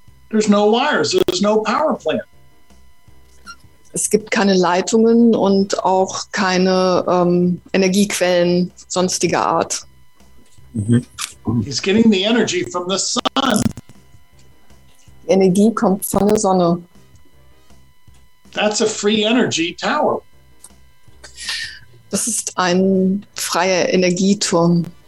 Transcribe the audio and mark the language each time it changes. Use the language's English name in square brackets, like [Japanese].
[English] There's no wires, there's no power plant. [German] Es gibt keine Leitungen und auch keine Energiequellen sonstiger Art. Mm-hmm. [English] He's getting the energy from the sun. [German] Energie kommt von der Sonne. [English] That's a free energy tower. [German] Das ist ein freier Energieturm.